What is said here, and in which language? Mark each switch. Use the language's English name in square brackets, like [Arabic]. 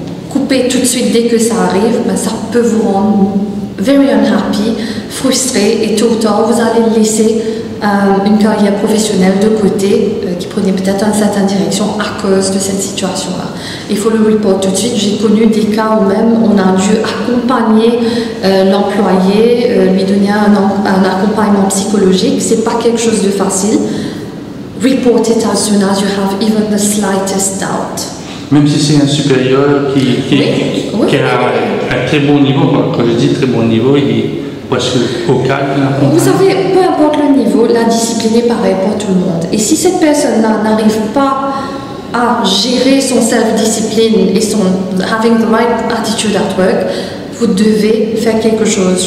[French] couper tout de suite dès que ça arrive, ben ça peut vous rendre [English] very unhappy, [French] frustré, et tôt ou tard vous allez laisser une carrière professionnelle de côté qui prenait peut-être une certaine direction à cause de cette situation-là. Il faut le report tout de suite. J'ai connu des cas où même on a dû accompagner l'employé, lui donner un accompagnement psychologique. C'est pas quelque chose de facile. [English] Report it as soon as you have even the slightest doubt. [French] Même si c'est un supérieur qui a un très bon niveau, quand je dis très bon niveau, il est presque au calme. Vous savez, peu importe le niveau, la discipline est pareille pour tout le monde. Et si cette personne-là n'arrive pas à gérer son self-discipline et son « [English] having the right attitude at work [French] », vous devez faire quelque chose.